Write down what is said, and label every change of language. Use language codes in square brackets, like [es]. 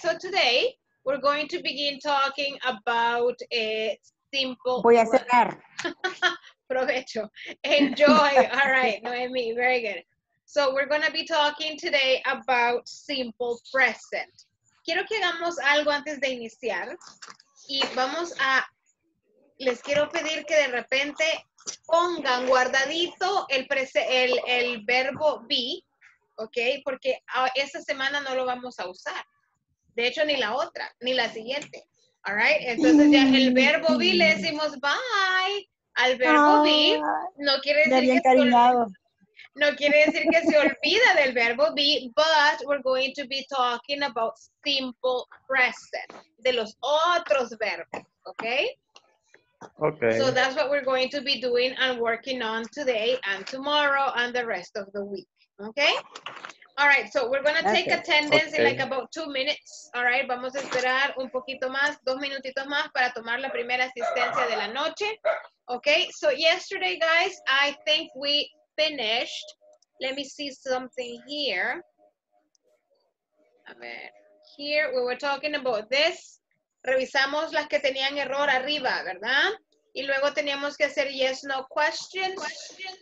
[en] So today we're going to begin talking about a simple. [es] Voy a cerrar. Provecho. [en] Enjoy. All right, Noemi. Very good. So we're going to be talking today about simple present. [es] Quiero que hagamos algo antes de iniciar y vamos a, les quiero pedir que de repente pongan guardadito el verbo be, ¿ok? Porque esta semana no lo vamos a usar. De hecho, ni la otra, ni la siguiente. [en] All right? [es] Entonces ya el verbo be le decimos bye al verbo be. No quiere decir bien cariñado. No quiere decir que se olvida del verbo be, [en] but we're going to be talking about simple present, [es] de los otros verbos, okay? [en] Okay. So that's what we're going to be doing and working on today and tomorrow and the rest of the week, okay? All right, so we're going to take attendance in like about 2 minutes, all right? [es] Vamos a esperar un poquito más, 2 minutitos más para tomar la primera asistencia de la noche, okay? [en] So yesterday, guys, I think we finished. Let me see something here. [es] A ver, [en] here we were talking about this. [es] Revisamos las que tenían error arriba, ¿verdad? Y luego teníamos que hacer yes, no questions.